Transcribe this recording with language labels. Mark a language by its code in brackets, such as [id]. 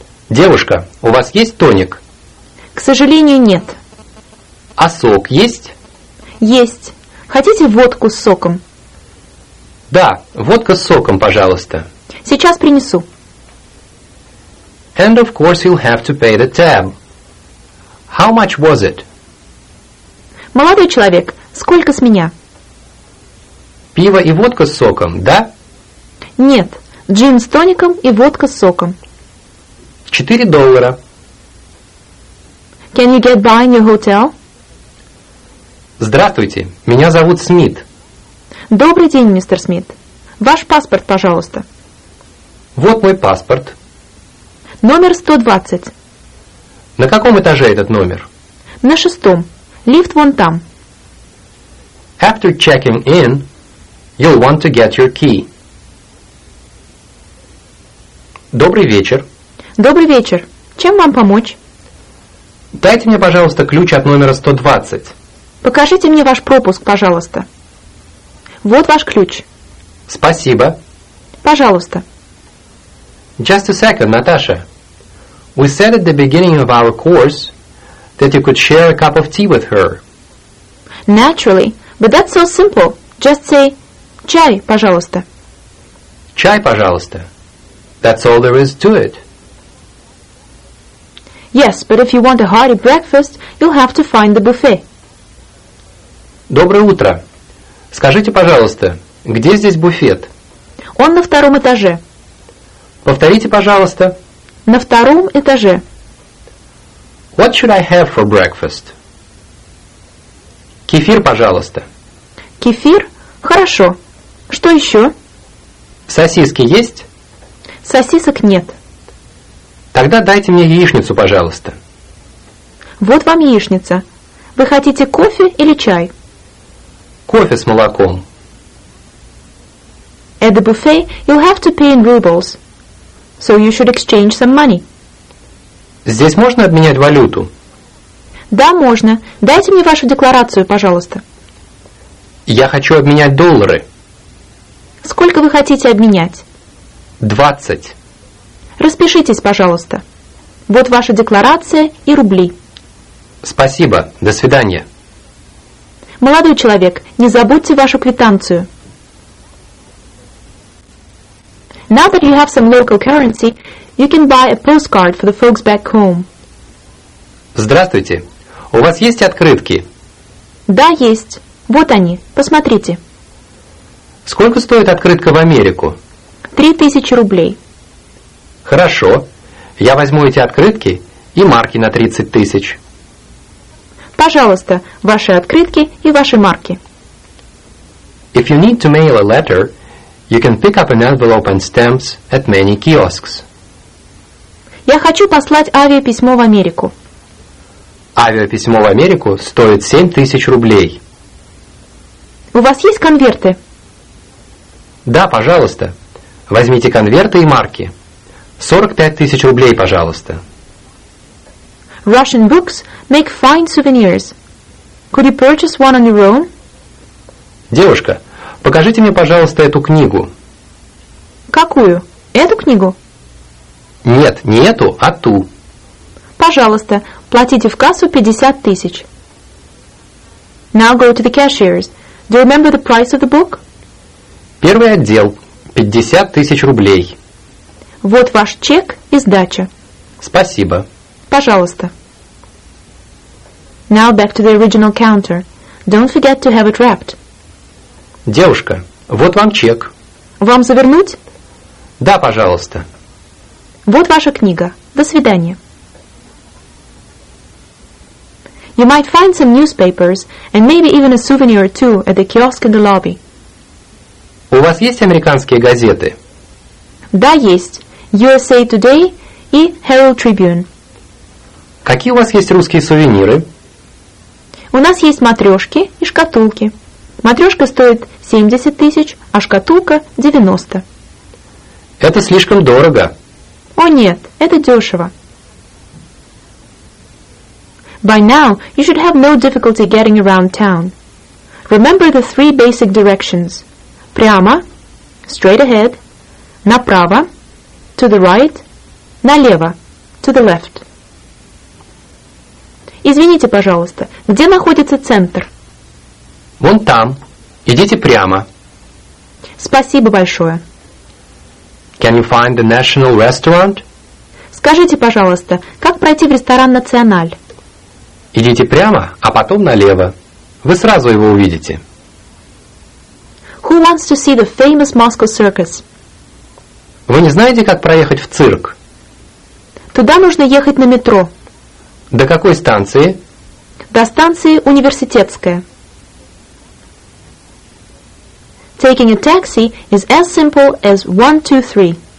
[ru] Девушка, у вас есть тоник? К сожалению, нет. А сок есть? Есть. Хотите водку с соком? Да, водка с соком, пожалуйста. Сейчас принесу. [en] And of course you'll have to pay the tab. How much was it? [ru] Молодой человек, сколько с меня? Пиво и водка с соком, да? Нет, джин с тоником и водка с соком. $4. [en] Can you get by in your hotel? [ru] Здравствуйте, меня зовут Смит. Добрый день, мистер Смит. Ваш паспорт, пожалуйста. Вот мой паспорт. Номер 120. На каком этаже этот номер? На 6-м. Лифт вон там. [en] After checking in, you'll want to get your key. [ru] Добрый вечер. Добрый вечер. Чем вам помочь? Дайте мне, пожалуйста, ключ от номера 120. Покажите мне ваш пропуск, пожалуйста. Вот ваш ключ. Спасибо. Пожалуйста. [en] Just a second, Natasha. We said at the beginning of our course that you could share a cup of tea with her. Naturally, but that's so simple. Just say, [ru] чай, пожалуйста. Чай, пожалуйста. [en] That's all there is to it. Yes, but if you want a hearty breakfast, you'll have to find the buffet. [ru] Доброе утро. Скажите, пожалуйста, где здесь буфет? Он на 2-м этаже. Повторите, пожалуйста. На 2-м этаже. [en] What should I have for breakfast? [ru] Кефир, пожалуйста. Кефир? Хорошо. Что еще? Сосиски есть? Сосисок нет. Тогда дайте мне яичницу, пожалуйста. Вот вам яичница. Вы хотите кофе или чай? Кофе с молоком. [en] At the buffet, you'll have to pay in rubles. So you should exchange some money. [ru] Здесь можно обменять валюту? Да, можно. Дайте мне вашу декларацию, пожалуйста. Я хочу обменять доллары. Сколько вы хотите обменять? 20. Распишитесь, пожалуйста. Вот ваша декларация и рубли. Спасибо. До свидания. Молодой человек, не забудьте вашу квитанцию. [en] Now that you have some local currency, you can buy a postcard for the folks back home. [ru] Здравствуйте. У вас есть открытки? Да, есть. Вот они. Посмотрите. Сколько стоит открытка в Америку? 3000 рублей. Хорошо. Я возьму эти открытки и марки на 30 000. Пожалуйста, ваши открытки и ваши марки. [en] If you need to mail a letter, you can pick up an envelope and stamps at many kiosks. [ru] Я хочу послать авиаписьмо в Америку. Авиаписьмо в Америку стоит 7000 рублей. У вас есть конверты? Да, пожалуйста. Возьмите конверты и марки. 45 000 рублей, пожалуйста. [en] Russian books make fine souvenirs. Could you purchase one on your own? [ru] Девушка, покажите мне, пожалуйста, эту книгу. Какую? Эту книгу? Нет, не эту, а ту. Пожалуйста, платите в кассу 50 000. [en] Now go to the cashiers. Do you remember the price of the book? [ru] Первый отдел. 50 000 рублей. Вот ваш чек и сдача. Спасибо. Пожалуйста. [en] Now back to the original counter. Don't forget to have it wrapped. [ru] Девушка, вот вам чек. Вам завернуть? Да, пожалуйста. Вот ваша книга. До свидания. [en] You might find some newspapers and maybe even a souvenir or two at the kiosk in the lobby. [ru] У вас есть американские газеты? Да, есть. USA Today и Herald Tribune. Какие у вас есть русские сувениры? У нас есть матрешки и шкатулки. Матрешка стоит 70 000, а шкатулка 90. Это слишком дорого. О нет, это дешево. [en] By now, you should have no difficulty getting around town. Remember the three basic directions. [ru] Прямо, [en] straight ahead, [ru] направо, [en] to the right, [ru] налево, [en] to the left. [ru] Извините, пожалуйста, где находится центр? Вон там. Идите прямо. Спасибо большое. [en] Can you find the National Restaurant? [ru] Скажите, пожалуйста, как пройти в ресторан «Националь»? Идите прямо, а потом налево. Вы сразу его увидите. [en] Who wants to see the famous Moscow Circus? [ru] Вы не знаете, как проехать в цирк? Туда нужно ехать на метро. До какой станции? До станции Университетская. [en] Taking a taxi is as simple as 1, 2, 3.